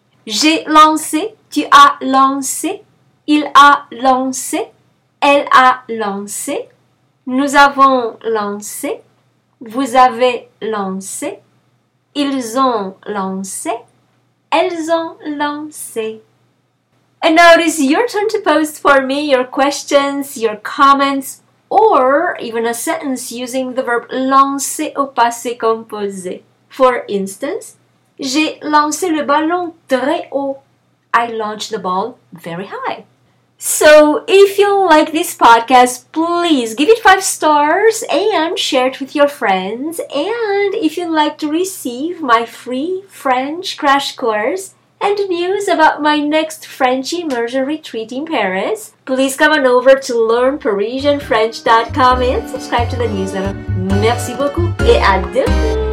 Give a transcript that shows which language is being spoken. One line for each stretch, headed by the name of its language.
French: J'ai lancé, tu as lancé, il a lancé, elle a lancé, nous avons lancé, vous avez lancé, ils ont lancé, elles ont lancé.
English: And now it is your turn to post for me your questions, your comments, or even a sentence using the verb lancer
French: au passé composé.
English: For instance,
French: j'ai lancé le ballon très haut.
English: I launched the ball very high. So if you like this podcast, please give it 5 stars and share it with your friends. And if you'd like to receive my free French crash course and news about my next French immersion retreat in Paris, please come on over to learnparisianfrench.com and subscribe to the newsletter.
French: Merci beaucoup et à demain!